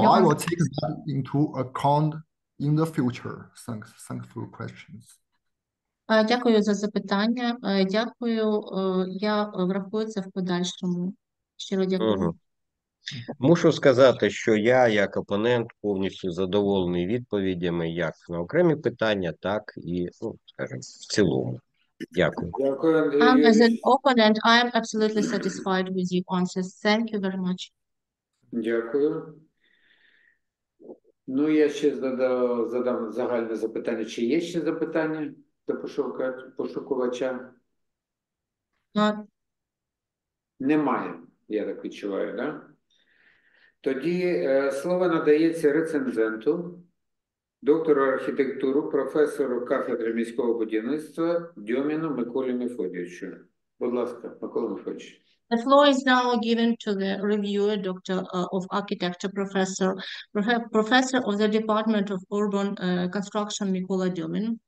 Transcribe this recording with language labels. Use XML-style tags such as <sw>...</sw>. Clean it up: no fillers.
<en>I will take that into account in the future. Thanks for your questions.</en> <uk>Дякую за запитання. Дякую. Я врахую це в подальшому. Щиро дякую. Мушу сказати, що я як опонент повністю задоволений відповідями як на окремі питання, так і, ну, скажімо, в цілому. Дякую. Дякую, Андрій.</uk> <en>As an opponent, I am absolutely satisfied with your answers. Thank you very much.</en> <uk>Дякую. Ну, я ще задам загальне запитання. Чи є ще запитання до пошукувача? Немає, я так відчуваю, так? Да? Тоді слово надається рецензенту, доктору архітектуру, професору кафедри міського будівництва Дьоміну Миколі Мефодійовичу. Будь ласка, Микола Мефодійович.</uk> <en>The floor is now given to the reviewer, Doctor of Architecture, Professor of the Department of Urban Construction, Mikola Dumin.</en>